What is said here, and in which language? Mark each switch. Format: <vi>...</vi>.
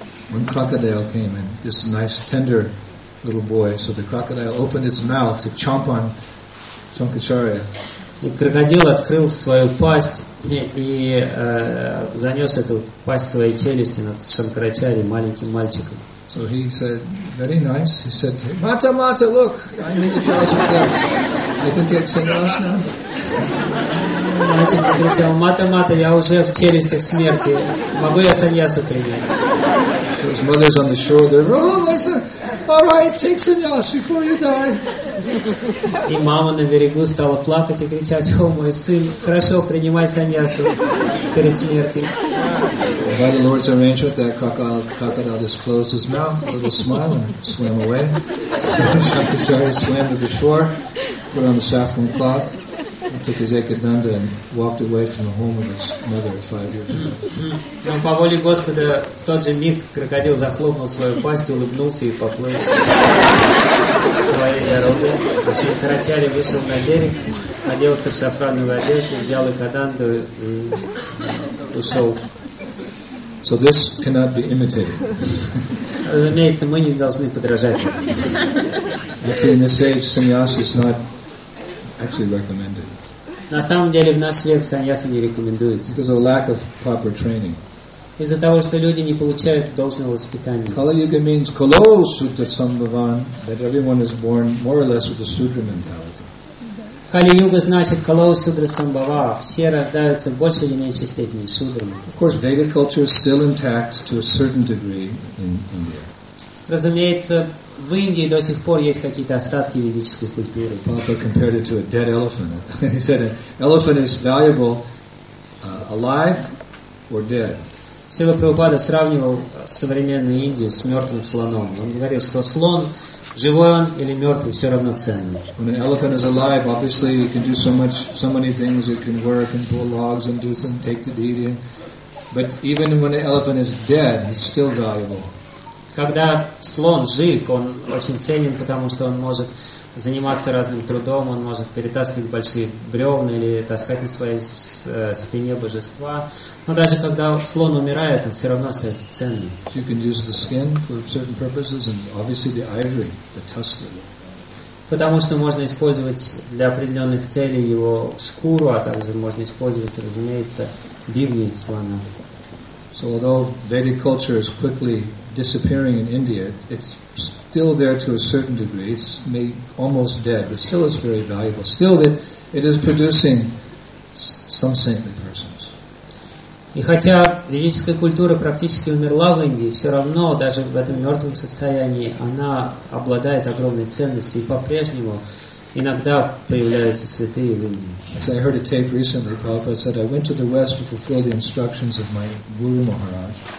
<en>One crocodile came, and this nice, tender little boy. So the crocodile opened its mouth to chomp on Shankaracharya.</en> <ru>И крокодил открыл свою пасть и занес эту пасть своей челюсти над Шанкарачарьей, маленьким мальчиком.</ru> <en>So he said, "Very nice." He said, "Hey, Mata, Mata, look, I'm in the jaws of death. I can take sannyas now."</en> <ru>Мальчик закричал: "Мата, мата, я уже в челюстях смерти. Могу я саньясу принять?"</ru> <en>So his mother's on the shore there. "Oh, my son, all right, take sannyas before you die."</en> <ru>И мама на берегу стала плакать и кричать: "О, мой сын, хорошо, принимай саньясу перед смертью."</ru> <en>By the Lord's arrangement, that crocodile just closed his mouth, a little smile, and swam away. Shankaracharya swam to the shore, put on the saffron cloth, took his ekadanda and walked away from the home of his mother 5 years ago.</en> <ru>По воле Господа, в тот же миг крокодил захлопнул свою пасть, улыбнулся и поплыл своей дорогой. Шанкарачарья вышел на берег, оделся в шафрановую одежду, взял экаданду и ушел.</ru> <en>So this cannot be imitated.</en> <ru>Разумеется, мы не должны подражать.</ru> <en>Actually, in this age, sannyas is not actually recommended.</en> <ru>На самом деле в наш век саньяса не рекомендуется.</ru> <en>Because of lack of proper training.</en> <ru>Из-за того, что люди не получают должного воспитания.</ru> <en>Kali-yuga means</en> <sa>kalo sutta sambhavan,</sa> <en>that everyone is born more or less with a sutra mentality.</en> <ru>Kali-yuga значит</ru> <sa>kalo sutra sambhava.</sa> <ru>Все рождаются в большей или меньшей степени судрами.</ru> <en>Of course, Vedic culture is still intact to a certain degree in India.</en> <ru>Разумеется, в Индии до сих пор есть какие-то остатки ведической культуры.</ru> <en>Папа compared it to a dead elephant. He said an elephant is valuable alive or dead.</en> <ru>Śrīla Prabhupāda сравнивал современную Индию с мертвым слоном. Он говорил, что слон Живой он или мертвый, все равно ценный.</ru> <en>When an elephant is alive, obviously you can do so many things. You can work and pull logs and do some take the deed in. But even when an elephant is dead, he's still valuable.</en> <ru>Когда слон жив, он очень ценен, потому что он может заниматься разным трудом, он может перетаскивать большие бревна или таскать на своей спине божества. Но даже когда слон умирает, он все равно остается ценным.</ru> <en>So you can use the skin for certain purposes, and obviously the ivory, the tusk.</en> <ru>Потому что можно использовать для определенных целей его шкуру, а также можно использовать, разумеется, бивни слона.</ru> <en>So although Vedic culture is quickly disappearing in India, it's still there to a certain degree. It's made almost dead, but still it's very valuable. Still it is producing some saintly persons.</en> <ru>И хотя ведическая культура практически умерла в Индии, все равно даже в этом мертвом состоянии она обладает огромной ценностью, и по-прежнему иногда появляются святые в Индии.</ru> <en>As I heard a tape recently, Prabhupada said, I went to the West to fulfill the instructions of my Guru Maharaj.</en>